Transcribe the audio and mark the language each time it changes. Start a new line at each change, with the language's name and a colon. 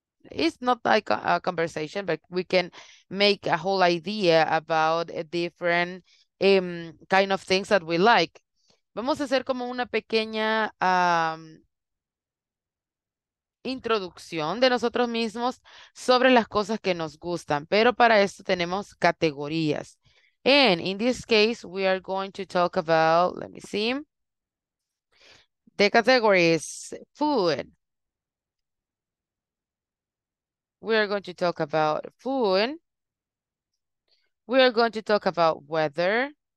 English: it's not like a conversation, but we can make a whole idea about a different kind of things that we like.
Spanish: Vamos a hacer como una pequeña introducción de nosotros mismos sobre las cosas que nos gustan. Pero para esto tenemos categorías.
English: And in this case, we are going to talk about, let me see, the categories, food. We are going to talk about food. We are going to talk about weather.